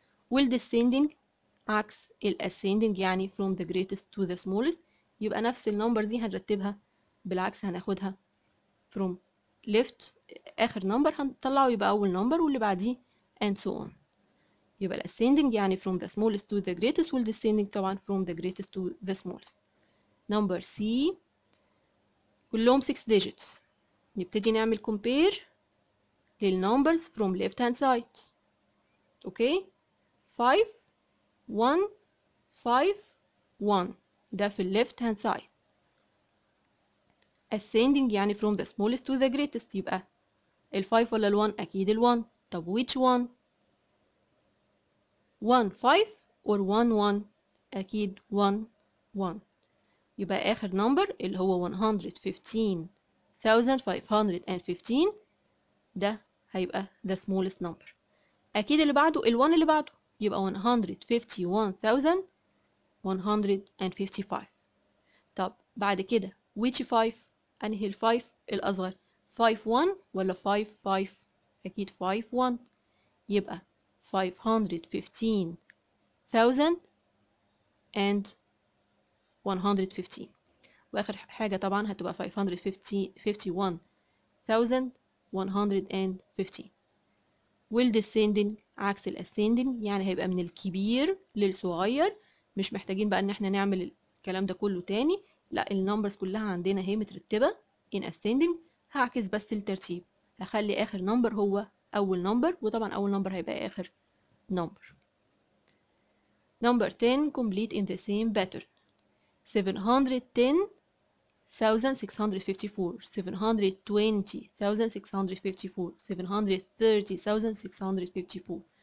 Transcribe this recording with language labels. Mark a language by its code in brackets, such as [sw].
[ar] والديسيندنج عكس الاسيندنج يعني [en] from the greatest to the smallest. [ar] يبقى نفس النمبر دي هنرتبها بالعكس، هناخدها from left اخر نمبر هنطلعه يبقى اول نمبر واللي بعديه and so on. يبقى الاسيندنج يعني [en] from the smallest to the greatest، [ar] والديسيندنج طبعا from the greatest to the smallest. نمبر C كلهم 6 digits. نبتدي نعمل compare للnumbers from left hand side. اوكي 5151 ده في left hand side. ascending يعني from the smallest to the greatest، يبقى ال 5 ولا ال 1؟ اكيد ال 1. طب which one؟ 15 or 11؟ اكيد 11. يبقى اخر نمبر اللي هو 115,515 ده هيبقى the smallest number. اكيد اللي بعده ال1 اللي بعده، يبقى 151,155. طب بعد كده which 5؟ انهي ال5 الاصغر، 51 ولا 55؟ اكيد 51. يبقى 515,115. وآخر حاجة طبعا هتبقى 551,115. والdescending عكس الascending يعني هيبقى من الكبير للصغير. مش محتاجين بقى ان احنا نعمل الكلام ده كله تاني، لا النمبرز كلها عندنا هي مترتبة in ascending. هعكس بس الترتيب، هخلي آخر نمبر هو أول نمبر، وطبعا أول نمبر هيبقى آخر نمبر. [en] Number 10 complete in the same pattern 710,654 720,654 730,654.